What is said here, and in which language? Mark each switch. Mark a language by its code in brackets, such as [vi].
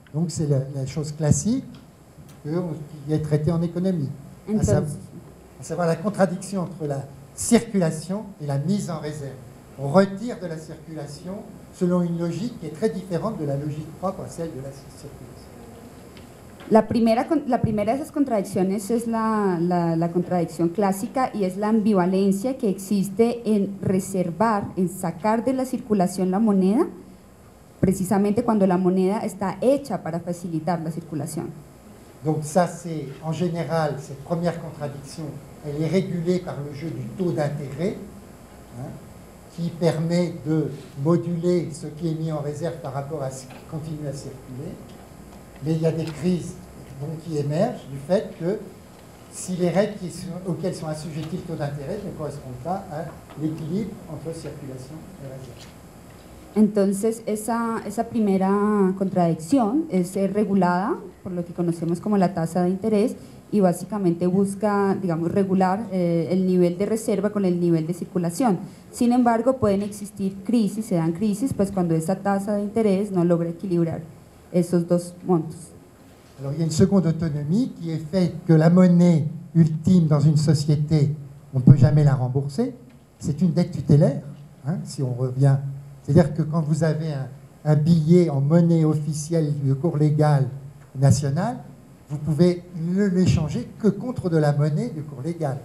[fr] Donc c'est la chose classique qui est traitée en économie. À savoir la contradiction entre la circulation et la mise en réserve. On retire de la circulation selon une logique qui est très différente de la logique propre à celle de la circulation. [es] La primera de esas contradicciones es la contradicción clásica y es la ambivalencia que existe en reservar, en sacar de la circulación la moneda, precisamente cuando la moneda está hecha para facilitar la circulación. [fr] Donc ça c'est en général cette première contradiction, elle est régulée par le jeu du taux d'intérêt qui permet de moduler ce qui est mis en réserve par rapport à ce qui continue à circuler. Mais il y a des crises donc, qui émergent du fait que si les règles auxquelles sont assujettis le taux d'intérêt ne correspondent pas à l'équilibre entre circulation et réserve. [es] Entonces, esa primera contradicción es regulada por lo que conocemos como la tasa de interés y básicamente busca, digamos, regular el nivel de reserva con el nivel de circulación. Sin embargo, pueden existir crisis, se dan crisis, pues cuando esa tasa de interés no logra equilibrar esos dos montos. [fr] Alors, il y a une seconde autonomie qui est faite que la monnaie ultime dans une société, on ne peut jamais la rembourser. C'est une dette tutélaire, hein, si on revient. C'est-à-dire que quand vous avez un billet en monnaie officielle de cours légal national, vous pouvez ne l'échanger que contre de la monnaie de cours légal.